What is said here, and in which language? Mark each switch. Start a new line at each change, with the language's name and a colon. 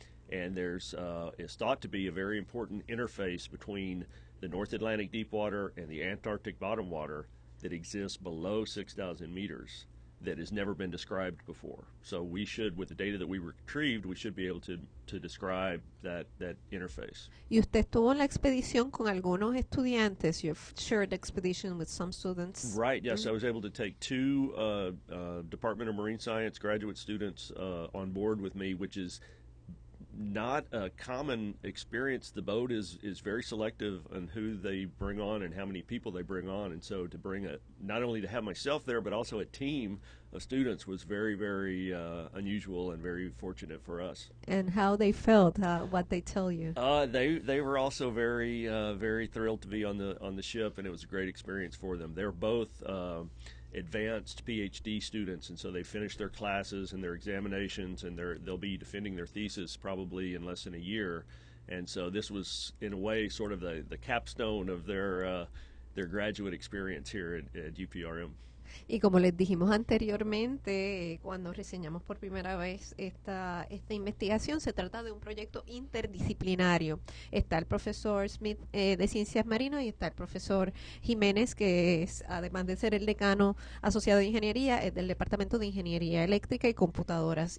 English: And it's thought to be a very important interface between the North Atlantic deep water and the Antarctic bottom water that exists below 6,000 meters that has never been described before. So we should, with the data that we retrieved, we should be able to describe that interface.
Spanish: ¿Y usted estuvo en la expedición con algunos estudiantes?
English: You've shared the expedition with some students? Right, yes. Mm-hmm. I was able to take two Department of Marine Science graduate students on board with me, which is not a common experience. The boat is very selective on who they bring on and how many people they bring on. And so to bring not only to have myself there, but also a team of students was very, very unusual and very fortunate for us. And how they felt, what they tell you? They were also very, very thrilled to be on the ship, and it was a great experience for them. They're both advanced PhD students, and so they finish their classes and their examinations, and they'll be defending their thesis probably in less than a year. And so this was, in a way, sort of the capstone of their graduate experience here at UPRM.
Spanish: Y como les dijimos anteriormente, cuando reseñamos por primera vez esta investigación, se trata de un proyecto interdisciplinario. Está el profesor Smith de Ciencias Marinas y está el profesor Jiménez, que es, además de ser el decano asociado de Ingeniería, es del Departamento de Ingeniería Eléctrica y Computadoras.